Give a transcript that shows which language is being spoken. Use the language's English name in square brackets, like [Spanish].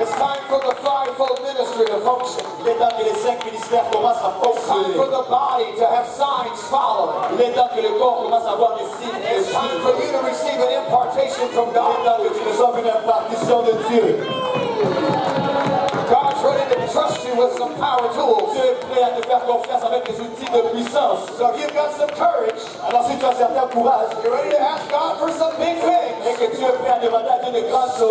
[English] It's time for the fivefold ministry to function. [French] Il est temps que les cinq ministères commencent à fonctionner. [English] It's time for the body to have signs following. [French] Il est temps que le corps commence à voir des signes. [English] It's time for you to receive an impartation from God. [French] Il est temps que tu reçoives une impartition de Dieu. [English] God's ready to trust you with some power tools. [French] Dieu est prêt à te faire confiance avec des outils de puissance. [English] So if you've got some courage, [French] alors si tu as certain courage, [English] you're ready to ask God for some big things. [French] Et que tu es prêt à demander à Dieu des grandes choses.